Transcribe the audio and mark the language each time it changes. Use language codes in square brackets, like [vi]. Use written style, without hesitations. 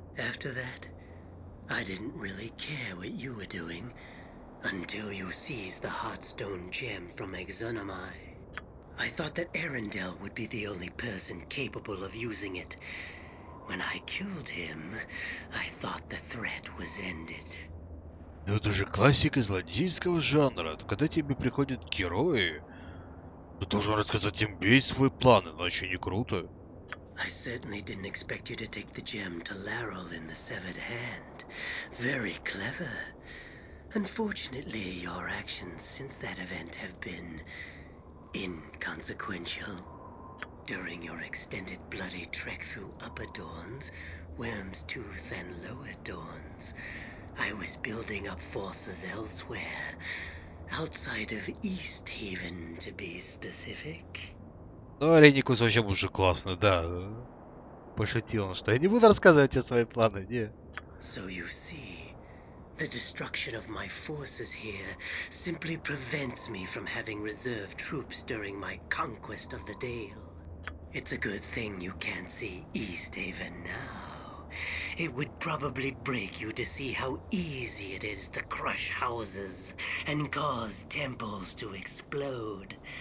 [en] After that, I didn't really care what you were doing, until you seized the Heartstone gem from Exonomai. I thought that Arendelle would be the only person capable of using it. When I killed him, I thought the threat was ended. [ru] Ну это же классика злодейского жанра. Когда тебе приходят герои, ты должен рассказать им весь свой план, иначе не круто. [en] I certainly didn't expect you to take the gem to Laurel in the severed hand. Very clever. Unfortunately, your actions since that event have been inconsequential. During your extended bloody trek through Upper Dawns, Worm's Tooth and Lower Dawns, I was building up forces elsewhere, outside of East Haven, to be specific. [ru] Ну, Реникус вообще уже классный, да. Пошутил он, что я не буду рассказывать о своих планах, не. [en] So you see, the destruction of my forces here simply prevents me from having reserve troops during my conquest of the Dale. It's a good thing you can't see East Haven now. It would probably break you to see how easy it is to crush houses and cause temples to explode.